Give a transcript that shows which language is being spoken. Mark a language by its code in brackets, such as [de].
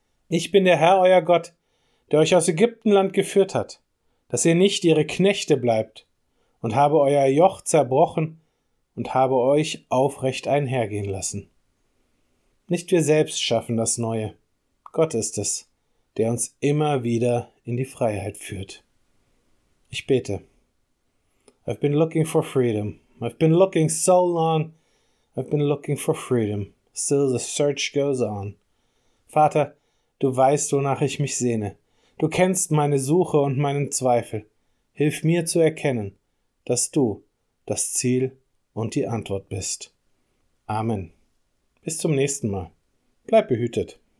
[de] Ich bin der Herr, euer Gott, der euch aus Ägyptenland geführt hat, dass ihr nicht ihre Knechte bleibt, und habe euer Joch zerbrochen und habe euch aufrecht einhergehen lassen. Nicht wir selbst schaffen das Neue. Gott ist es, der uns immer wieder in die Freiheit führt. Ich bete. [en] I've been looking for freedom. I've been looking so long. I've been looking for freedom. Still the search goes on. [de] Vater, du weißt, wonach ich mich sehne. Du kennst meine Suche und meinen Zweifel. Hilf mir zu erkennen, dass du das Ziel und die Antwort bist. Amen. Bis zum nächsten Mal. Bleib behütet.